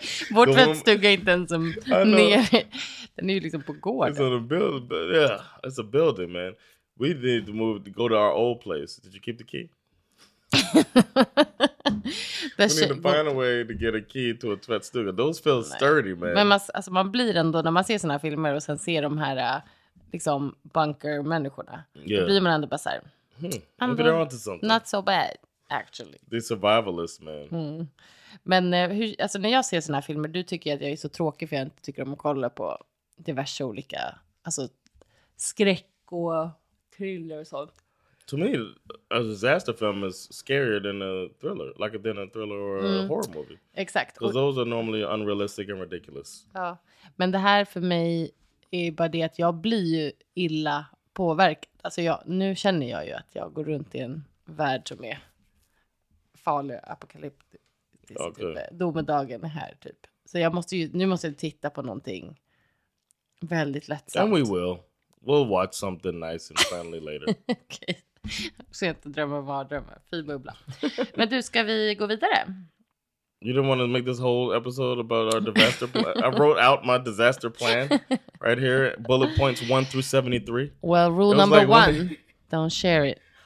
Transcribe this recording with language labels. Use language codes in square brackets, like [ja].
[sv] Vår tvättstuga är inte ens som nere. Den är ju liksom på gården. [en] It's on a building, but yeah, it's a building, man. We need to move to go to our old place. Did you keep the key? We need to find a way to get a key to a tvättstuga. Those feel sturdy, man. [sv] Men man blir ändå när man ser såna här filmer och sen ser de här liksom bunker-människorna. [en] Yeah. [sv] Då blir man ändå bara såhär... Hmm. [en] Maybe they're onto something. Not so bad, actually. They're survivalists, man. Mm. [sv] Men alltså, när jag ser såna här filmer, du tycker att jag är så tråkig för jag inte tycker om att kolla på diverse olika... Alltså, skräck och thriller och sånt. [en] To me, a disaster film is scarier than a thriller. Like than a thriller or a horror movie. [sv] Exakt. [en] Because those are normally unrealistic and ridiculous. [sv] Ja, men det här för mig... Det är bara det att jag blir ju illa påverkad. Alltså nu känner jag ju att jag går runt i en värld som är farlig, apokalyptisk. [en] Okay. [sv] Typ. Domedagen är här typ. Så jag måste ju, nu måste jag titta på någonting väldigt lättsamt. [en] And we will. We'll watch something nice and friendly later. [sv] Okej. Okay. Så jag inte drömmer vad jag drömmer. Fy bubbla. Men du, ska vi gå vidare? [en] You didn't want to make this whole episode about our disaster plan. I wrote out my disaster plan right here. Bullet points 1 through 73. Well, rule number one, don't share it.